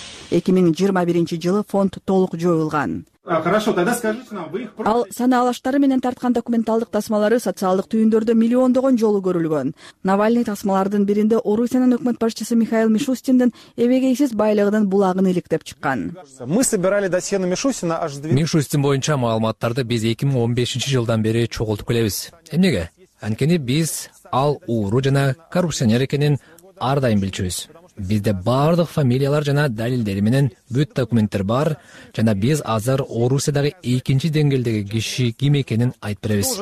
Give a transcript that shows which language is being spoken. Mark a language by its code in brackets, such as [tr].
[ky] 2021 жылы фонд толук жоюлган. Ал санаалаштары менен тарткан документалдык тасмалары социалдык түйүндөрдө миллиондогон жолу көрүлгөн. Навальный тасмалардын биринде Орусиянын өкмөт башчысы Михаил Мишустиндин эбегейсиз байлыгынын булагын иликтеп чыккан. [ru] Мы собирали досье на Мишустина аж 2. [ky] Мишустин боюнча маалыматтарды биз 2015 жылдан бери чогултуп келебиз. Эмнеге? Анткени биз ал уру жана коррупционер экенин ар дайым билчүбүз. Бизде бардык фамилиялар жана далилдери менен бүт документтер бар жана биз азыр Орусиядагы экинчи деңгээлдеги киши ким экенин айтып беребиз.